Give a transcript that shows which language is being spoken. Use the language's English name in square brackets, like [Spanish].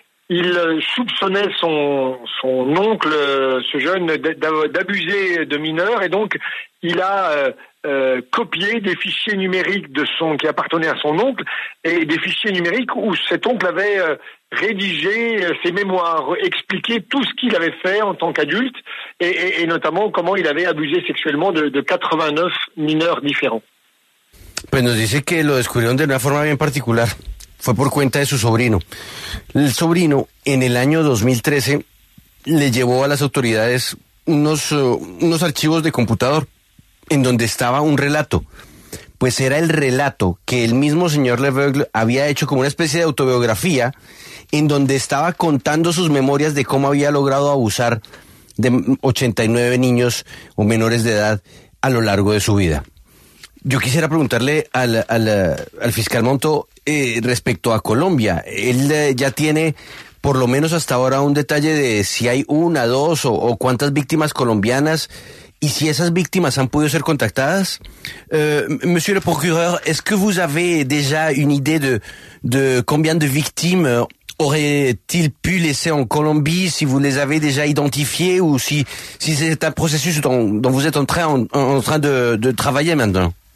[French] Il soupçonnait son oncle, ce jeune, d'abuser de mineurs, et donc il a copié des fichiers numériques qui appartenaient à son oncle, et des fichiers numériques où cet oncle avait rédigé ses mémoires, expliqué tout ce qu'il avait fait en tant qu'adulte, et notamment comment il avait abusé sexuellement de 89 mineurs différents. [Spanish] Pues nos dice que lo descubrieron de una forma bien particular. Fue por cuenta de su sobrino. El sobrino, en el año 2013, le llevó a las autoridades unos archivos de computador en donde estaba un relato. Pues era el relato que el mismo señor Leveugle había hecho como una especie de autobiografía en donde estaba contando sus memorias de cómo había logrado abusar de 89 niños o menores de edad a lo largo de su vida. Yo quisiera preguntarle al fiscal Manteau respecto a Colombia. Él ya tiene, por lo menos hasta ahora, un detalle de si hay una, dos o cuántas víctimas colombianas y si esas víctimas han podido ser contactadas. [French] Monsieur le procureur, est-ce que vous avez déjà une idée de combien de victimes aurait-il pu laisser en Colombie, si vous les avez déjà identifiées ou si c'est un processus dont vous êtes en train de travailler maintenant?